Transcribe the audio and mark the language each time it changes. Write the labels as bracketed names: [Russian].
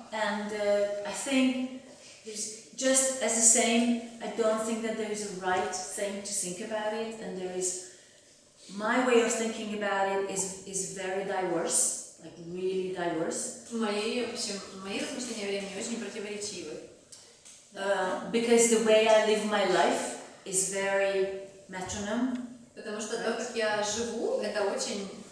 [English] And I think there's just as the same. I don't think that there is a right thing to think about it, and there is my way of thinking about it is very diverse, like really diverse. [Russian] Мои размышления о времени очень противоречивы. [English] Because the way I live my life is very metronome. [Russian] Потому что то, как я живу, это очень